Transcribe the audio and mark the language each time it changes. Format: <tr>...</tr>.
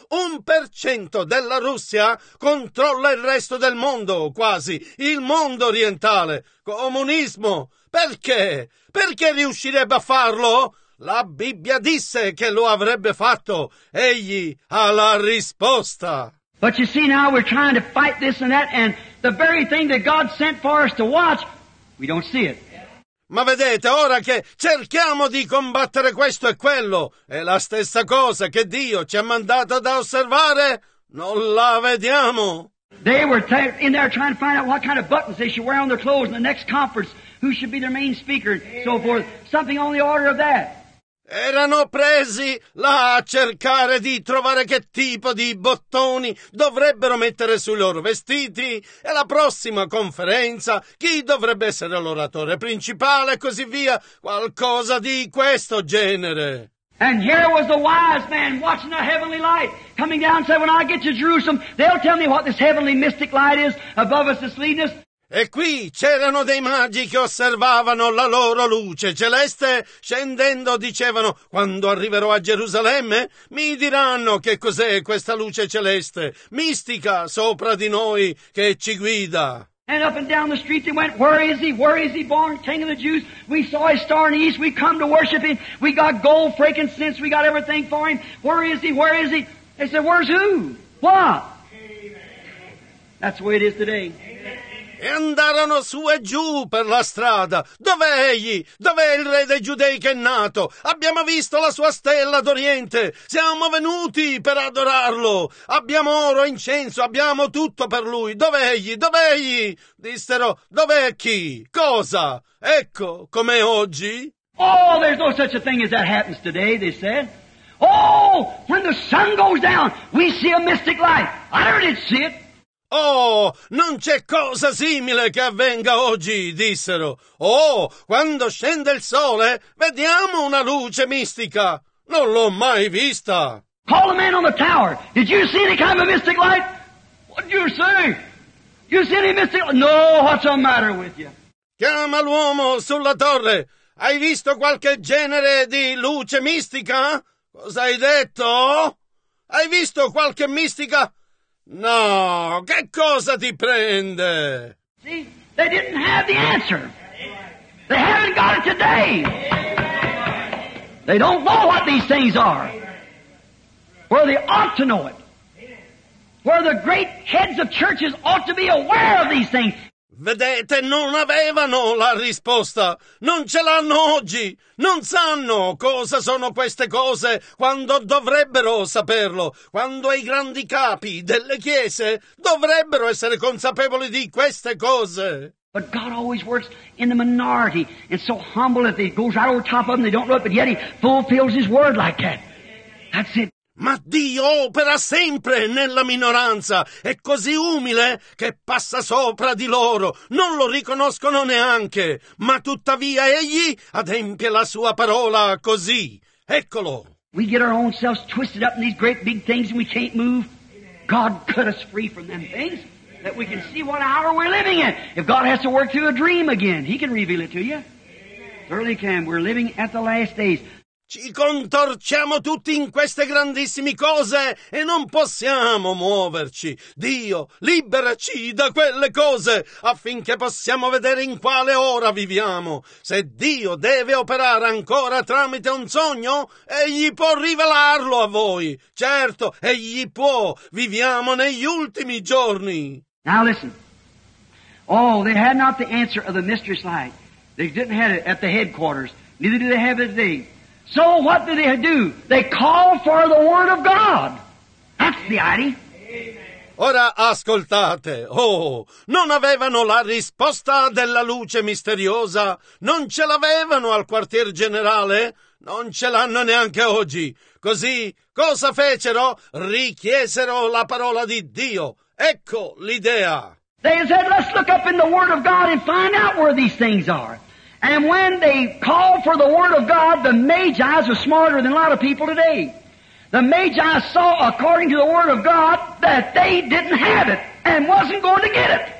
<it>1% della Russia controlla il resto del mondo, quasi. Il mondo orientale. Comunismo. Perché? Perché riuscirebbe a farlo? La Bibbia disse che lo avrebbe fatto. Egli ha la risposta.</it> <en>But you see, now we're trying to fight this and that, and the very thing that God sent for us to watch, we don't see it.</en> <it>Ma vedete, ora che cerchiamo di combattere questo e quello, è la stessa cosa che Dio ci ha mandato ad osservare, non la vediamo.</it> <en>They were in there trying to find out what kind of buttons they should wear on their clothes in the next conference, who should be their main speaker, and so forth, something on the order of that.</en> <it>Erano presi là a cercare di trovare che tipo di bottoni dovrebbero mettere sui loro vestiti e la prossima conferenza chi dovrebbe essere l'oratore principale e così via, qualcosa di questo genere.</it> <en>And here was the wise man watching the heavenly light coming down and said, when I get to Jerusalem, they'll tell me what this heavenly mystic light is above us that's leading us.</en> <it>E qui c'erano dei magi che osservavano la loro luce celeste, scendendo dicevano: quando arriverò a Gerusalemme, mi diranno che cos'è questa luce celeste, mistica sopra di noi che ci guida.</it> <en>And up and down the street they went, where is he? Where is he born? King of the Jews. We saw his star in the east. We come to worship him. We got gold, frankincense. We got everything for him. Where is he? Where is he? They said, where's who? What? Amen. That's the way it is today.</en> <it>E andarono su e giù per la strada. Dov'è egli? Dov'è il re dei giudei che è nato? Abbiamo visto la sua stella d'oriente. Siamo venuti per adorarlo. Abbiamo oro, incenso, abbiamo tutto per lui. Dov'è egli? Dov'è egli? Dissero, dov'è chi? Cosa? Ecco, com'è oggi?</it> <en>Oh, there's no such a thing as that happens today, they said. Oh, when the sun goes down, we see a mystic light. I never did see it.</en> <it>Oh, non c'è cosa simile che avvenga oggi, dissero. Oh, quando scende il sole, vediamo una luce mistica. Non l'ho mai vista.</it> <en>Call the man on the tower. Did you see any kind of mystic light? What did you see? You see any mystic light? No, what's the matter with you?</en> <it>Chiama l'uomo sulla torre. Hai visto qualche genere di luce mistica? Cosa hai detto? Hai visto qualche mistica? No, che cosa ti prende?</it> <en>See, they didn't have the answer. They haven't got it today. They don't know what these things are. Where they ought to know it. Where the great heads of churches ought to be aware of these things.</en> <it>Vedete, non avevano la risposta. Non ce l'hanno oggi. Non sanno cosa sono queste cose quando dovrebbero saperlo. Quando i grandi capi delle chiese dovrebbero essere consapevoli di queste cose.</it> <en>But God always works in the minority. And so humble that he goes right over top of them, they don't know it, but yet he fulfills his word like that. That's it.</en> <it>Ma Dio opera sempre nella minoranza, è così umile che passa sopra di loro, non lo riconoscono neanche, ma tuttavia egli adempie la sua parola così. Eccolo.</it> <en>We get our own selves twisted up in these great big things and we can't move. God cut us free from them things that we can see what hour we're living in. If God has to work through a dream again, he can reveal it to you. Certainly can. We're living at the last days.</en> <it>Ci contorciamo tutti in queste grandissime cose e non possiamo muoverci. Dio, liberaci da quelle cose affinché possiamo vedere in quale ora viviamo. Se Dio deve operare ancora tramite un sogno, egli può rivelarlo a voi. Certo, egli può. Viviamo negli ultimi giorni.</it> <en>Now listen. Oh, they had not the answer of the mystery light. They didn't have it at the headquarters. Neither did they have it today. So what do they do? They call for the word of God. That's the idea.</en> <it>Ora ascoltate. Oh, non avevano la risposta della luce misteriosa. Non ce l'avevano al quartier generale. Non ce l'hanno neanche oggi. Così, cosa fecero? Richiesero la parola di Dio. Ecco l'idea.</it> <en>They said, let's look up in the word of God and find out where these things are. And when they called for the word of God, the Magi's are smarter than a lot of people today. The Magi saw, according to the word of God, that they didn't have it and wasn't going to get it.</en>